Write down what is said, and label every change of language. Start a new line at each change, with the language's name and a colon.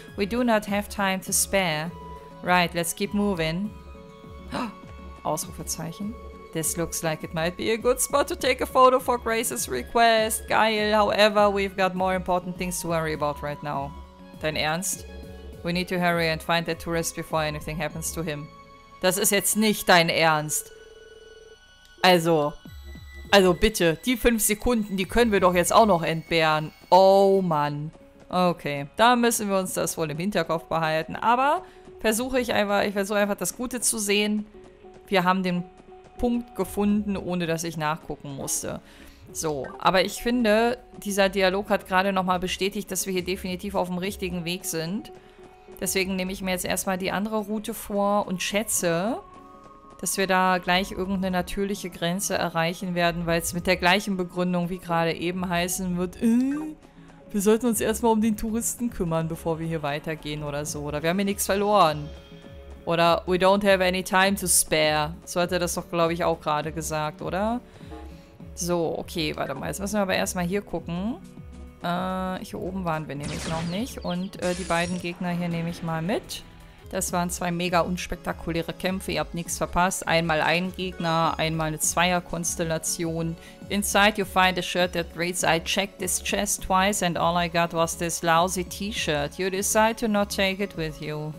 English: We do not have time to spare. Right, let's keep moving.
German: Ausrufezeichen.
English: This looks like it might be a good spot to take a photo for Grace's request.
German: Geil,
English: however, we've got more important things to worry about right now.
German: Dein Ernst?
English: We need to hurry and find that tourist before anything happens to him.
German: Das ist jetzt nicht dein Ernst. Also bitte, die 5 Sekunden, die können wir doch jetzt auch noch entbehren. Oh Mann. Okay, da müssen wir uns das wohl im Hinterkopf behalten. Aber ich versuche einfach das Gute zu sehen. Wir haben den Punkt gefunden, ohne dass ich nachgucken musste. So, aber ich finde, dieser Dialog hat gerade nochmal bestätigt, dass wir hier definitiv auf dem richtigen Weg sind. Deswegen nehme ich mir jetzt erstmal die andere Route vor und schätze, dass wir da gleich irgendeine natürliche Grenze erreichen werden, weil es mit der gleichen Begründung wie gerade eben heißen wird, wir sollten uns erstmal um den Touristen kümmern, bevor wir hier weitergehen oder so. Oder wir haben hier nichts verloren. Oder
English: we don't have any time to spare.
German: So hat er das doch, glaube ich, auch gerade gesagt, oder? So, okay, warte mal. Jetzt müssen wir aber erstmal hier gucken. Hier oben waren wir nämlich noch nicht. Und die beiden Gegner hier nehme ich mal mit. Das waren zwei mega unspektakuläre Kämpfe. Ihr habt nichts verpasst. Einmal ein Gegner, einmal eine Zweierkonstellation.
English: Inside you find a shirt that reads, I checked this chest twice and all I got was this lousy T-shirt. You decide to not take it with you.